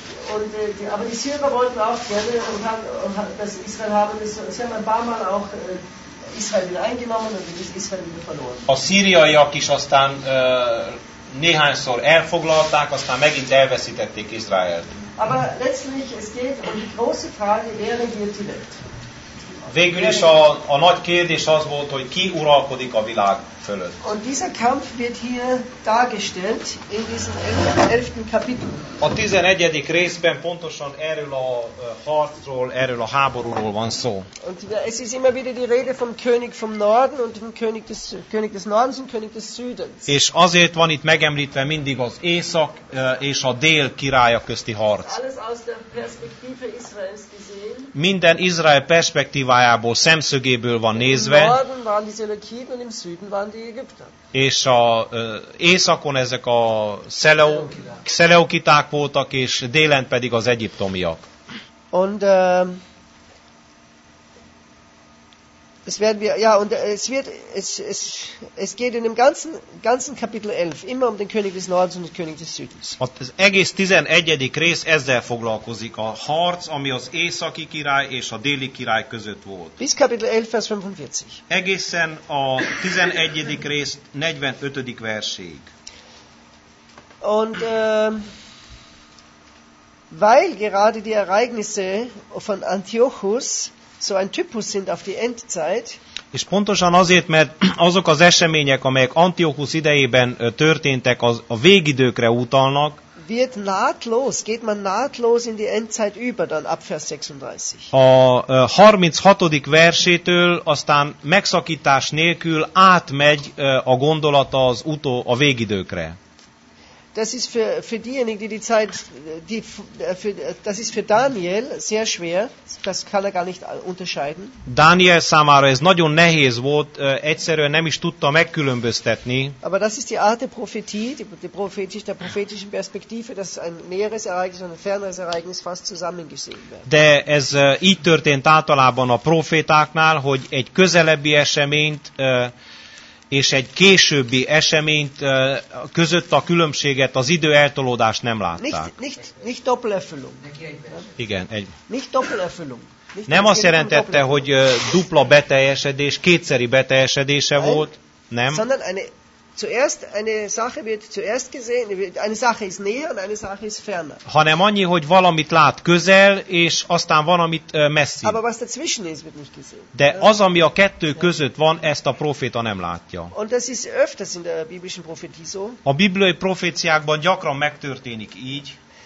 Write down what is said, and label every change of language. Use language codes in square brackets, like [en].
[de] Und die, aber die Syrer wollten auch gerne und das Israel haben das, sie haben ein paar Mal auch Israel wieder eingenommen und das Israel wieder verloren. [hu] A szíriaiak is aztán néhányszor elfoglalták, aztán megint elveszítették Izraelt. [de] Aber letztlich es geht um die große Frage, wer regiert die Welt. [hu] Végül is a nagy kérdés az volt, hogy ki uralkodik a világ fölött. [de] Und dieser Kampf wird hier dargestellt in diesem 11. Kapitel. [hu] A 11. részben pontosan erről a harcról, erről a háborúról van szó. [de] Und es ist immer wieder die Rede vom König vom Norden und vom König des Nordens und König des Südens. [hu] És azért van itt megemlítve mindig az Észak és a Dél királya közti harc. [de] Alles aus der Perspektive Israels gesehen. [hu] Minden Izrael perspektívájából, szemszögéből van nézve. [de] Im Norden waren die Seleukiden und im Süden waren die Ägypter. [hu] És a északon ezek a szeleukiták voltak, és délen pedig az egyiptomiak. [de] Und es werden wir ja und es wird es geht in dem ganzen Kapitel 11 immer um den König des Nordens und den König des Südens. [hu] Az egész 11. rész ezzel foglalkozik, a harc, ami az északi király és a déli király között volt. [de] Bis Kapitel 11 Vers 45. [hu] Egészen a 11. rész 45. verséig. [de] Und weil gerade die Ereignisse von Antiochus so ein Typus sind auf die Endzeit. [hu] És pontosan azért, mert azok az események, amelyek Antiochus idejében történtek, az a végidőkre utalnak. [de] Wird nahtlos, geht man nahtlos in die Endzeit über, dann ab Vers 36. [hu] A 36. versétől aztán megszakítás nélkül átmegy a gondolata az utó a végidőkre. [de] Das ist für diejenigen, die Zeit, die für, das ist für Daniel sehr schwer, das kann er gar nicht unterscheiden. [hu] Daniel számára ez nagyon nehéz volt, egyszerűen nem is tudta megkülönböztetni. [de] Aber das ist die Art der Prophetie, der prophetischen Perspektive, dass ein näheres Ereignis und ein ferneres Ereignis fast zusammengesehen wird. [hu] De ez így történt általában a profétáknál, hogy egy közelebbi eseményt és egy későbbi eseményt között a különbséget, az idő eltolódást nem látták. [de] Nicht Doppelerfüllung. [hu] Igen, egy. [de] Nicht Doppelerfüllung. [hu] Nem azt jelentette, hogy dupla beteljesedés, kétszeri beteljesedése volt, nem. [de] Sondern eine Zuerst eine Sache wird zuerst gesehen, eine Sache ist näher und eine Sache ist ferner. [hu] Hanem annyi, hogy valamit lát közel, és aztán van, amit messzi. [de] Aber was dazwischen ist, wird nicht gesehen. [hu] De az, ami a kettő között van, ezt a proféta nem látja. [de] Und das ist öfters in der biblischen Prophetie so. [hu] A bibliai proféciákban gyakran megtörténik így.